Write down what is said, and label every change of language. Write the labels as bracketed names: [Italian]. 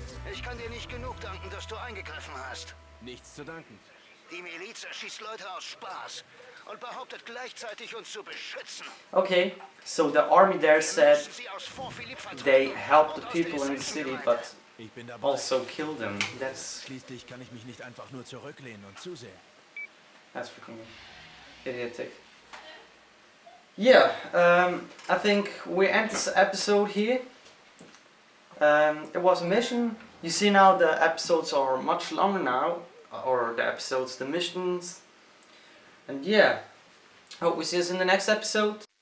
[German] Ich kann dir nicht genug danken, dass du eingegriffen hast. Nichts zu danken. Die Miliz erschießt Leute aus Spaß und behauptet gleichzeitig uns zu beschützen. [English] Okay, so the army there said they helped the people in the city, but also killed them. That's [German] schließlich kann ich mich nicht einfach nur zurücklehnen und zusehen. [English] That's freaking idiotic. Yeah, I think we end this episode here. It was a mission. You see now the episodes are much longer now. Or the episodes, the missions. And yeah, hope we see us in the next episode.